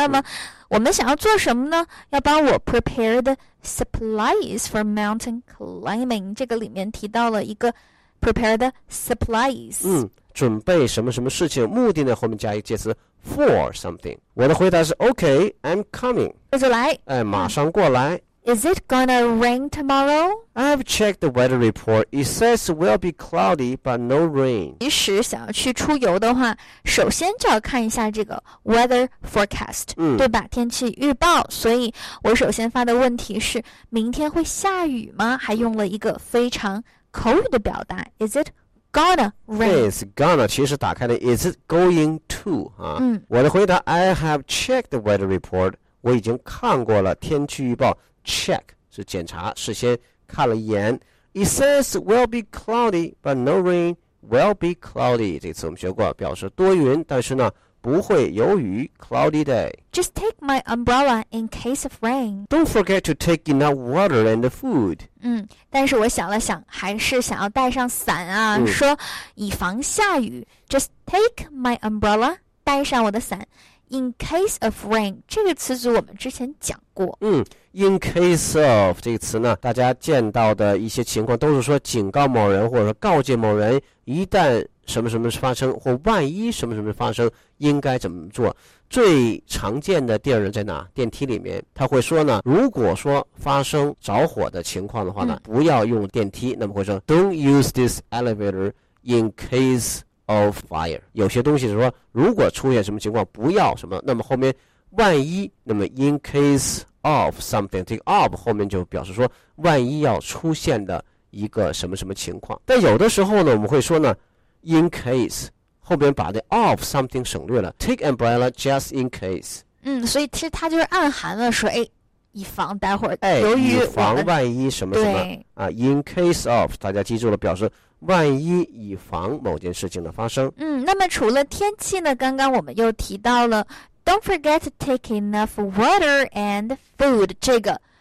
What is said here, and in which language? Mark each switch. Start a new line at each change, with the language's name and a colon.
Chinese: 那么，我们想要做什么呢？要帮我 prepare the supplies for mountain climbing。这个里面提到了一个。
English: Prepare the supplies。
Chinese: 准备什么什么事情？目的呢？后面加一个介词 for something。我的回答是 OK，I'm coming。那就来。哎，马上过来。
English: Is it gonna rain tomorrow? I've checked the weather report. It says will be cloudy, but no rain.
Chinese: 即使想要去出游的话，首先就要看一下这个 weather forecast，对吧？天气预报。所以我首先发的问题是：明天会下雨吗？还用了一个非常。口语的表达 ， Is it gonna rain？ It's gonna，其实打开的 Is it going to？啊，我的回答 ， I have checked the weather report。我已经看过了天气预报 ，check 是检查，事先看了一眼。 It says will be cloudy， but no rain。 Will be cloudy，这次我们学过，表示多云，但是呢不会有雨 ， cloudy day。
English: Just take my umbrella in case of rain. Don't forget to take enough water and food.
Chinese: 但是我想了想，还是想要带上伞啊，说以防下雨。
English: Just take my umbrella，带上我的伞。
Chinese: In case of rain，这个词组我们之前讲过。 In case of 这个词呢，大家见到的一些情况都是说警告某人，或者说告诫某人，一旦什么什么发生，或万一什么什么发生，应该怎么做。最常见的第二人在哪？电梯里面，他会说呢，如果说发生着火的情况的话呢，不要用电梯，那么会说 Don't use this elevator in case of fire。有些东西是说如果出现什么情况不要什么，那么后面万一，那么 in case of something， 这个 of 后面就表示说万一要出现的一个什么什么情况。但有的时候呢，我们会说呢 in case，后边把 the of something 省略了 ， take umbrella just in case。所以其实它就是暗含了说，哎，以防待会儿，哎，由于以防万一什么什么，对啊 ，in case of， 大家记住了，表示万一以防某件事情的发生。那么除了天气呢，刚刚我们又提到了 ， don't forget to take enough water and food 这个。